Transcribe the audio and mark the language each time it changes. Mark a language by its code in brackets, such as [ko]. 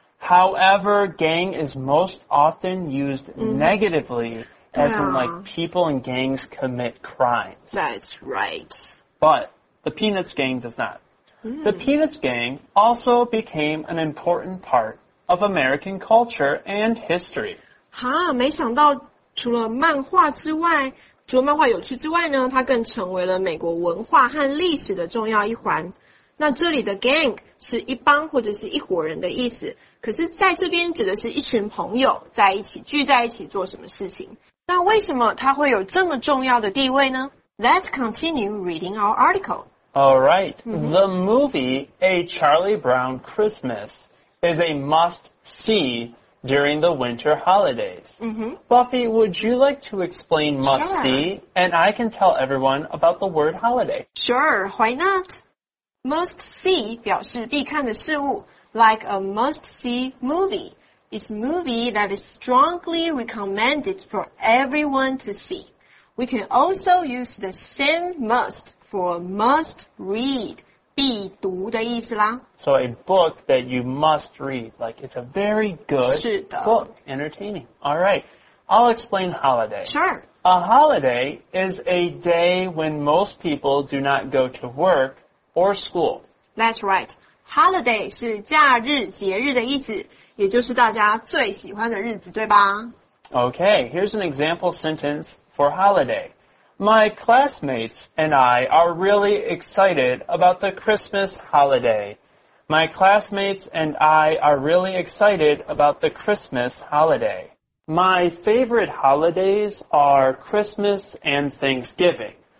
[en] However, gang is most often used negatively, as in like people in gangs commit crimes. That's right. But,The Peanuts Gang does not. The Peanuts Gang also became an important part of American culture and history. [zh] 哈，没想到除了漫画之外，除了漫画有趣之外呢，它更成为了美国文化和历史的重要一环。那这里的 gang 是一帮或者是一伙人的意思，可是在这边指的是一群朋友在一起聚在一起做什么事情。那为什么它会有这么重要的地位呢？ [en] Let's continue reading our article. All right. The movie A Charlie Brown Christmas is a must see during the winter holidays. Buffy, would you like to explain must see? And I can tell everyone about the word holiday. Sure, why not? Must see [zh] 表示必看的事物 [en] like a must see movie. It's a movie that is strongly recommended for everyone to see. We can also use the same must for must read, [zh] 必读的意思啦。 [en] So a book that you must read, like it's a very good book, entertaining. All right, I'll explain holiday. Sure. A holiday is a day when most people do not go to work or school. That's right. [zh] Holiday 是假日、节日的意思。也就是大家最喜欢的日子，对吧？ [en] Okay, here's an example sentence for holiday. My classmates and I are really excited about the Christmas holiday. My classmates and I are really excited about the Christmas holiday. My favorite holidays are Christmas and Thanksgiving.